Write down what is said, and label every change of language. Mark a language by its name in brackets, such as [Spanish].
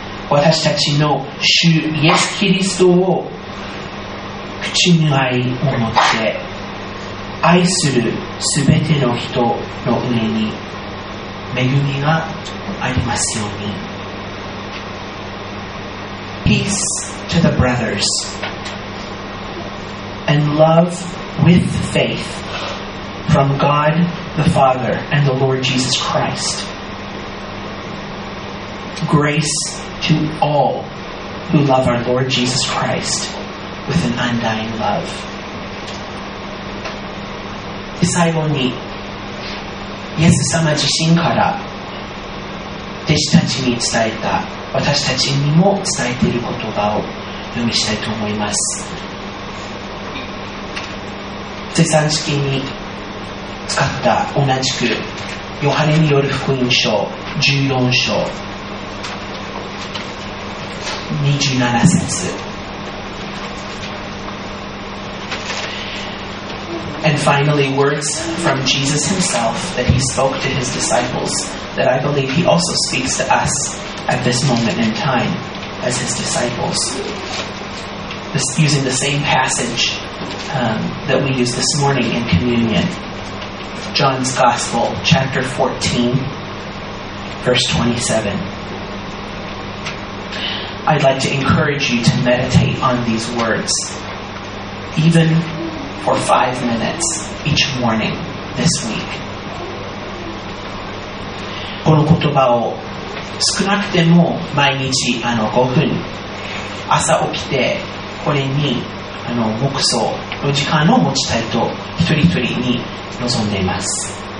[Japanese] 私たちの主イエス・キリストを口に合いを持って愛するすべての人の上に恵みがありますように。 [English] Peace to the brothers and love with faith from God the Father and the Lord Jesus Christ. Grace to all who love our Lord Jesus Christ. With an undying love. [Japanese] で、最後にイエス様自身から弟子たちに伝えた、私たちにも伝えている言葉を読みしたいと思います。聖餐式に使った同じくヨハネによる福音書14章27節。 [English] And finally, words from Jesus himself that he spoke to his disciples that I believe he also speaks to us at this moment in time. as his disciples. This, using the same passage that we use this morning in communion. John's Gospel, chapter 14, verse 27. I'd like to encourage you to meditate on these words, even for 5 minutes each morning this week. [Japanese] この言葉を少なくても毎日5分、朝起きてこれに黙想の時間を持ちたいと一人一人に望んでいます。